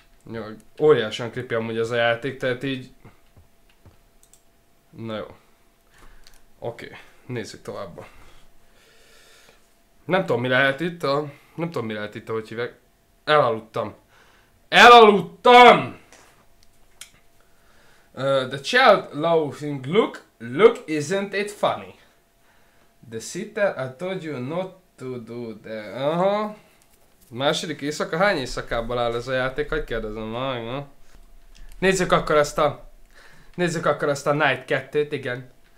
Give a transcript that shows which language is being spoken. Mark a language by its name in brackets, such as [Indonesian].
[Hungarian] Jaj, óriásan creepy amúgy ez a játék, tehát így... Na jó. Oké, nézzük tovább. Nem tudom, mi lehet itt, hogy hívek. Elaludtam. Elaludtam! [English] The child laughing look isn't it funny? The sitter, I told you not to do that. [Hungarian] Aha. Második éjszaka, hány éjszakából áll ez a játék? Hogy kérdezem meg, no? Nézzük akkor ezt a Night 2-t, igen.